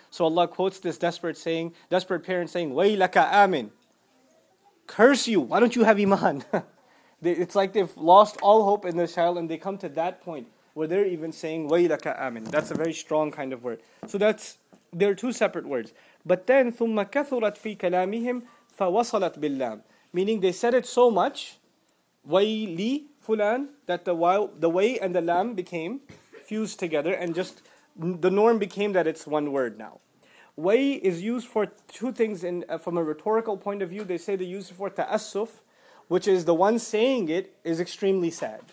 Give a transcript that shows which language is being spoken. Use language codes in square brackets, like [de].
[en] So Allah quotes this desperate parent saying, [ar] Wa ilaka amin. [en] Curse you, why don't you have Iman? It's like they've lost all hope in their child and they come to that point where they're even saying, [ar] Wa ilaka amin. [en] That's a very strong kind of word. So that's, there are two separate words. But then, [ar] ثُمَّ كَثُرَتْ فِي كَلَامِهِمْ فَوَصَلَتْ بِاللَّامِ. [en] Meaning they said it so much, way li fulan, that the way and the lam became fused together, and just the norm became that it's one word now. Way is used for two things from a rhetorical point of view. They say they use it for ta'assuf, which is the one saying it is extremely sad.